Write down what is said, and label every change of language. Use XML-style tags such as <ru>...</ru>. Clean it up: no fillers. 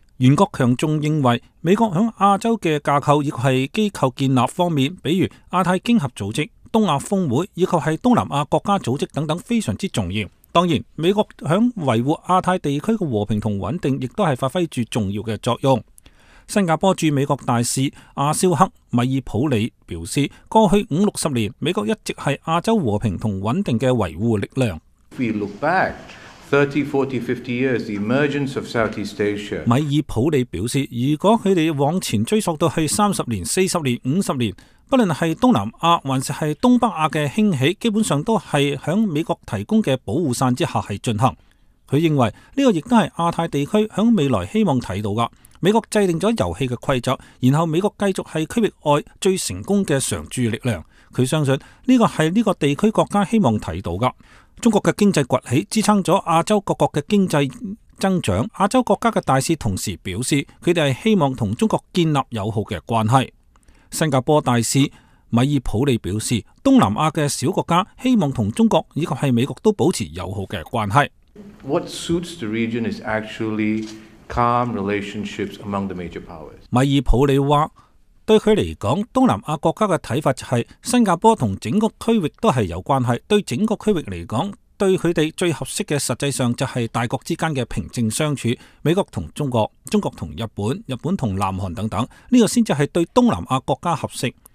<zh>袁国强仲认为，美国在亚洲的架构以及是机构建立方面，比如亚太经合组织、东亚峰会以及是东南亚国家组织等等，非常之重要。当然，美国在维护亚太地区的和平和稳定亦都是发挥着重要的作用。新加坡驻美国大使阿肖克·米尔普里表示，过去五六十年，美国一直是亚洲和平和稳定的维护力量。</zh> <en>We look back 30, 40, 50 years, the emergence of Southeast Asia.</en> <zh>米尔普里表示，如果他们往前追溯到去30年、40年、50年，不论是东南亚还是东北亚的兴起，基本上都是在美国提供的保护伞之下进行。他认为，这个亦都是亚太地区在未来希望提到的。美国制定了游戏的规则，然后美国继续是区域外最成功的常驻力量。他相信这个是这个地区国家希望提到的。中国的经济崛起支撑了亚洲各国的经济增长。亚洲国家的大使同时表示，他们是希望与中国建立友好的关系。新加坡大使米尔普里表示，东南亚的小国家希望与中国以及是美国都保持友好的关系。</zh> <en>What suits the region is actually calm relationships among the major powers.</en> <zh>米尔普里说，对他来说，东南亚国家的看法就是，新加坡和整个区域都是有关系，对整个区域来说，对他们最合适的实际上就是大国之间的平静相处，美国和中国，中国和日本，日本和南韩等等，这个才是对东南亚国家合适。</zh>